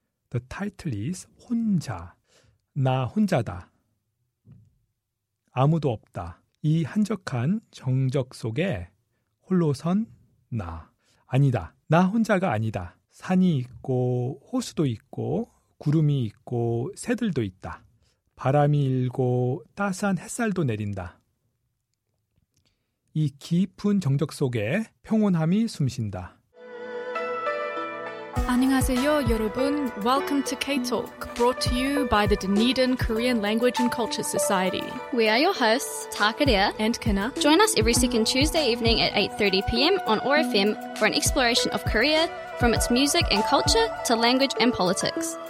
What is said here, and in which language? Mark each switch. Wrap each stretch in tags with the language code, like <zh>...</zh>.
<en>The title is 혼자.</en> <ko>나 혼자다. 아무도 없다. 이 한적한 정적 속에 홀로 선 나. 아니다. 나 혼자가 아니다. 산이 있고 호수도 있고 구름이 있고 새들도 있다. 바람이 일고 따스한 햇살도 내린다. 이 깊은 정적 속에 평온함이 숨쉰다. 안녕하세요, 여러분.</ko> <en>Welcome to K-Talk, brought to you by the Dunedin Korean Language and Culture Society. We are your hosts, Takaria and Kina. Join us every second Tuesday evening at 8:30 p.m. on ORFM for an exploration of Korea, from its music and culture to language and politics.</en>